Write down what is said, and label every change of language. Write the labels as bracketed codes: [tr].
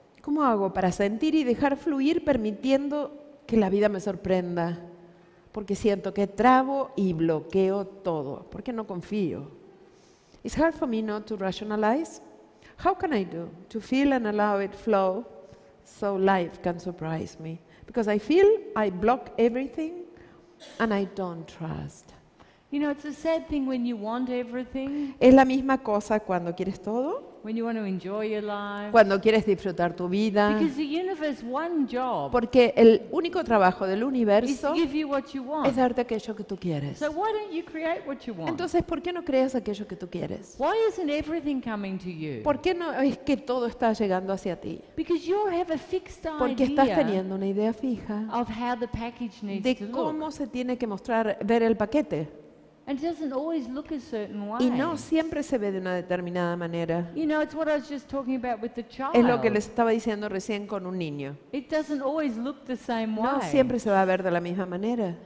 [es] ¿Cómo hago para sentir y dejar fluir permitiendo que la vida me sorprenda, porque siento que trabo y bloqueo todo, porque no confío? [en] It's hard for me not to rationalize. How can I do to feel and allow it flow so life can surprise me? Because I feel I block everything and I don't trust. You know, it's a sad thing when you want everything. [es] Es la misma cosa cuando quieres todo. [en] When you want to enjoy your life. [es] Cuando quieres disfrutar tu vida. [en] Because the universe one job. [es] Porque el único trabajo del universo [en] is give you what you want. [es] Es darte aquello que tú quieres. [en] So why don't you create what you want? [es] Entonces, ¿por qué no creas aquello que tú quieres? [en] Why isn't everything coming to you? [es] ¿Por qué no es que todo está llegando hacia ti? [en] Because you have a fixed idea. [es] Porque estás teniendo una idea fija. [en] Of how the package needs [es] de [en] to look. [es] Cómo se tiene que mostrar ver el paquete. [en] And it doesn't always look a certain way. [es] Y no siempre se ve de una determinada manera. [en] You know, it's what I was just talking about with the child. [es] Es lo que les estaba diciendo recién con un niño. [en] It doesn't always look the same way. [es] No siempre se va a ver de la misma manera.